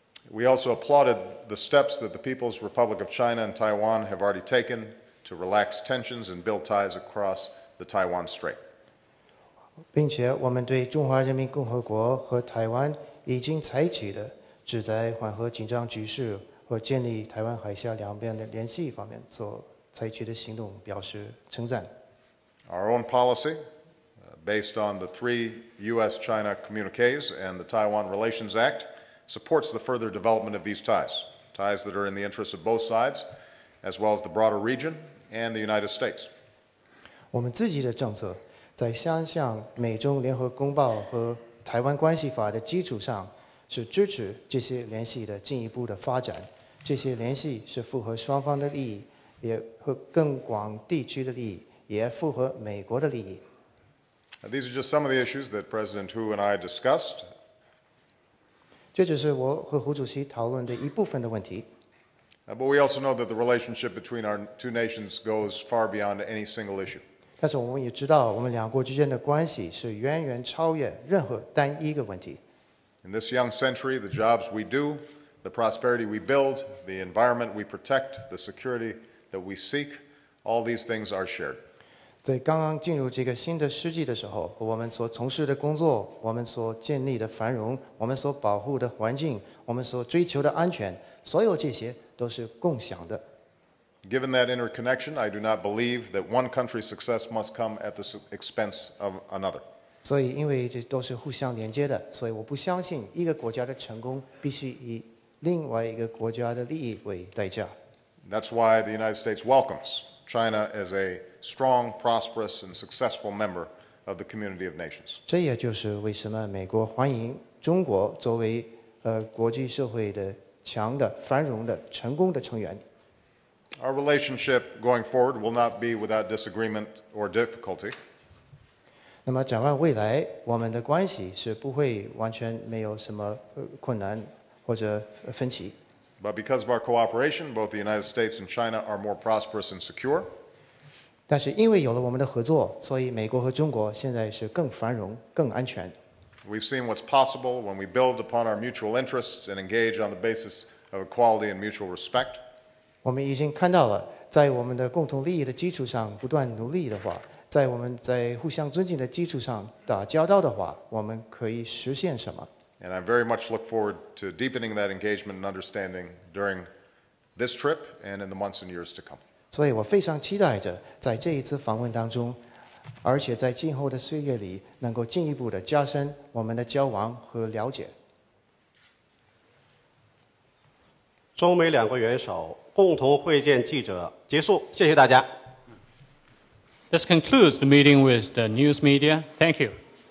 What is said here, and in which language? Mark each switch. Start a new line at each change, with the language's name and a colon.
English: We also applauded the steps that the People's Republic of China and Taiwan have already taken to relax tensions and build ties across the Taiwan Strait.
Chinese: 并且我们对中华人民共和国和台湾已经采取的旨在缓和紧张局势和建立台湾海峡两边的联系方面所采取的行动表示称赞。
English: Our own policy, based on the three U.S.-China communiques and the Taiwan Relations Act, supports the further development of these ties, ties that are in the interests of both sides, as well as the broader region and the United States.
Chinese: 我们自己的政策在相向美中联合公报和台湾关系法的基础上是支持这些联系的进一步的发展，这些联系是符合双方的利益，也和更广地区的利益，也符合美国的利益。
English: These are just some of the issues that President Hu and I discussed.
Chinese: 这只是我和胡主席讨论的一部分的问题。
English: But we also know that the relationship between our two nations goes far beyond any single issue.
Chinese: 但是我们也知道我们两国之间的关系是远远超越任何单一个问题。
English: In this young century, the jobs we do, the prosperity we build, the environment we protect, the security that we seek, all these things are shared.
Chinese: 在刚刚进入这个新的世纪的时候，我们所从事的工作，我们所建立的繁荣，我们所保护的环境，我们所追求的安全，所有这些都是共享的。
English: Given that interconnection, I do not believe that one country's success must come at the expense of another.
Chinese: 所以因为这都是互相连接的，所以我不相信一个国家的成功必须以另外一个国家的利益为代价。
English: That's why the United States welcomes China as a strong, prosperous, and successful member of the community of nations.
Chinese: 这也就是为什么美国欢迎中国作为国际社会的强的、繁荣的、成功的成员。
English: Our relationship going forward will not be without disagreement or difficulty.
Chinese: 那么展望未来，我们的关系是不会完全没有什么困难或者分歧。
English: But because of our cooperation, both the United States and China are more prosperous and secure.
Chinese: 但是因为有了我们的合作，所以美国和中国现在是更繁荣、更安全。
English: We've seen what's possible when we build upon our mutual interests and engage on the basis of equality and mutual respect.
Chinese: 我们已经看到了，在我们的共同利益的基础上不断努力的话，在我们在互相尊敬的基础上打交道的话，我们可以实现什么。
English: And I very much look forward to deepening that engagement and understanding during this trip and in the months and years to come.
Chinese: 所以我非常期待着在这一次访问当中，而且在今后的岁月里，能够进一步的加深我们的交往和了解。中美两国元首共同会见记者结束，谢谢大家。
English: This concludes the meeting with the news media. Thank you.